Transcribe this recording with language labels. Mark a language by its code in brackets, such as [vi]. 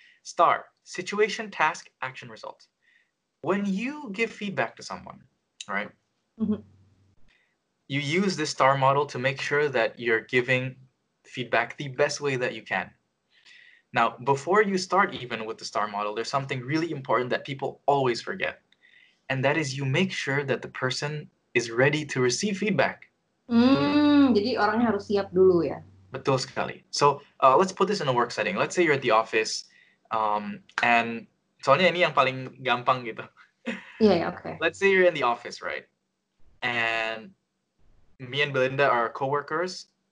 [en] STAR, situation, task, action, result. When you give feedback to someone, right, you use this STAR model to make sure that you're giving feedback the best way that you can. Now, before you start even with the star model, there's something really important that people always forget. And that is you make sure that the person is ready to receive feedback. [id] Jadi orangnya harus siap dulu ya. Betul sekali. [en] So, let's put this in a work setting. Let's say you're at the office, and [id] soalnya ini yang paling gampang gitu. [en] Yeah, okay. Let's say you're in the office, right? And me and Belinda are coworkers.